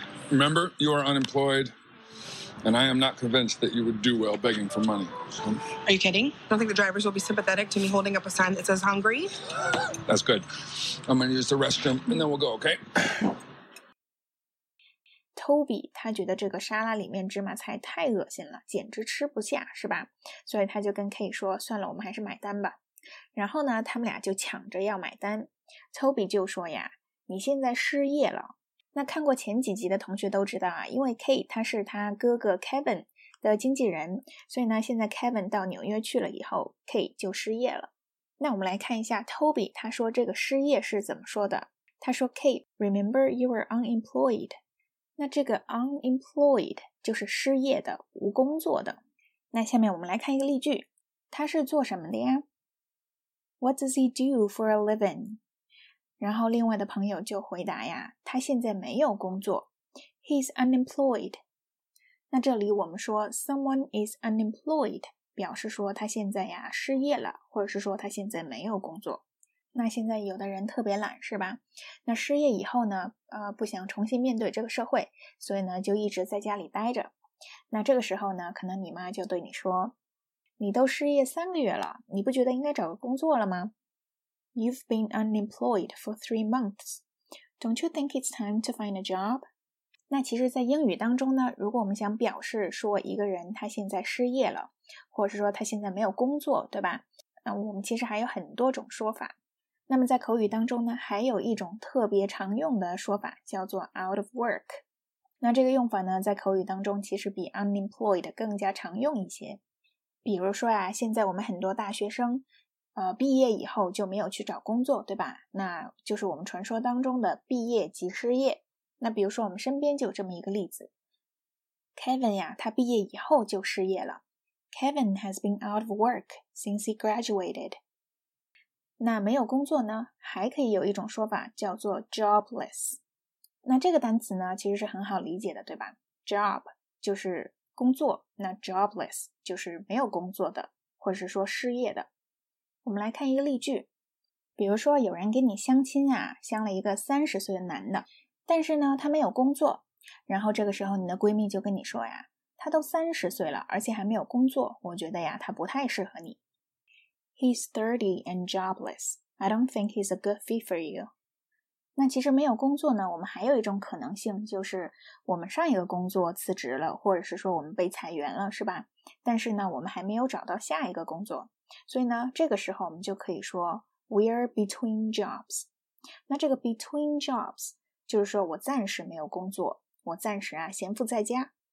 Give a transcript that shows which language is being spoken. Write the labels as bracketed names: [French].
[English] Remember, you are unemployed, and I am not convinced that you would do well begging for money. Are you kidding? I don't think the drivers will be sympathetic to me holding up a sign that says hungry. That's good. I'm going to use the restroom, and then we'll go, okay? [Chinese] Toby 他觉得这个沙拉里面芝麻菜太恶心了，简直吃不下，是吧？所以他就跟 Kate 说，算了，我们还是买单吧。然后呢，他们俩就抢着要买单。 Toby 就说呀，你现在失业了。那看过前几集的同学都知道啊，因为 Kate 他是他哥哥 Kevin 的经纪人，所以呢，现在 Kevin 到纽约去了以后， Kate 就失业了。那我们来看一下 Toby 他说这个失业是怎么说的。他说 [English] Kate, remember you were unemployed。 [Chinese] 那这个 unemployed 就是失业的，无工作的。那下面我们来看一个例句，他是做什么的呀？ [English] What does he do for a living? [Chinese] 然后另外的朋友就回答呀，他现在没有工作， [English] He's unemployed。 [Chinese] 那这里我们说 [English] someone is unemployed [Chinese] 表示说他现在呀失业了，或者是说他现在没有工作。那现在有的人特别懒，是吧？那失业以后呢，不想重新面对这个社会，所以呢就一直在家里待着。那这个时候呢，可能你妈就对你说，你都失业三个月了，你不觉得应该找个工作了吗？ [English] You've been unemployed for 3 months. Don't you think it's time to find a job? [Chinese] 那其实在英语当中呢，如果我们想表示说一个人他现在失业了，或者是说他现在没有工作，对吧？那我们其实还有很多种说法。那么在口语当中呢，还有一种特别常用的说法叫做 out of work。那这个用法呢，在口语当中其实比 unemployed 更加常用一些。比如说啊，现在我们很多大学生毕业以后就没有去找工作，对吧？那就是我们传说当中的毕业即失业。那比如说我们身边就有这么一个例子， Kevin 呀，他毕业以后就失业了。 [English] Kevin has been out of work since he graduated。 [Chinese] 那没有工作呢，还可以有一种说法叫做 jobless。那这个单词呢，其实是很好理解的，对吧？job 就是工作，那 jobless 就是没有工作的，或者是说失业的。我们来看一个例句，比如说有人给你相亲啊，相了一个30岁的男的，但是呢他没有工作，然后这个时候你的闺蜜就跟你说呀，他都30岁了而且还没有工作，我觉得呀他不太适合你。 [English] He's 30 and jobless. I don't think he's a good fit for you. [Chinese] 那其实没有工作呢，我们还有一种可能性，就是我们上一个工作辞职了，或者是说我们被裁员了，是吧？但是呢，我们还没有找到下一个工作。所以呢，这个时候我们就可以说 [English] We're between jobs. [Chinese] 那这个 between jobs 就是说我暂时没有工作，我暂时啊闲赋在家。